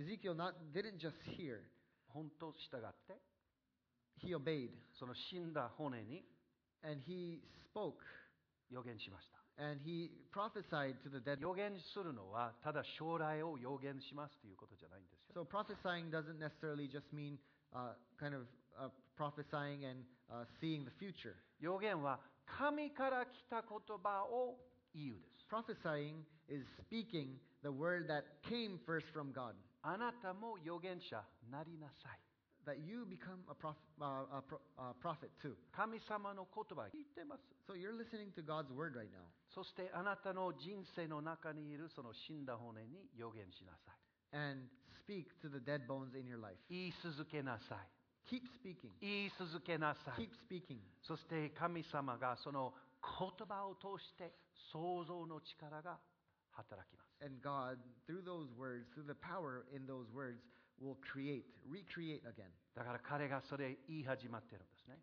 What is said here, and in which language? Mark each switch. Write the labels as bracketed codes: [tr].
[en] Ezekiel didn't just hear. [ja] 本当従って、 [en] he obeyed. [ja] その死んだ骨に、 [en] and he spoke. [ja] 予言しました。 [en] and he prophesied to the dead. [ja] 予言するのはただ将来を予言しますということじゃないんですよ。 [en] So prophesying doesn't necessarily just mean kind of prophesying and seeing the future. [ja] 予言は神から来た言葉を言うです。 [en] Prophesying is speaking the word that came first from God. [ja] あなたも預言者なりなさい。 [en] That you become a prophet too. [ja] 神様の言葉聞いてます。 [en] So you're listening to God's word right now. [ja] そしてあなたの人生の中にいるその死んだ骨に預言しなさい。 [en] And speak to the dead bones in your life. [ja] 言い続けなさい。 [en] Keep speaking. [ja] 言い続けなさい。 [en] Keep speaking. [ja] そして神様がその言葉を通して創造の力が働きます。 [en] And God, through those words, through the power in those words, will create, recreate again. [ja] だから彼がそれ言い始まってるんですね。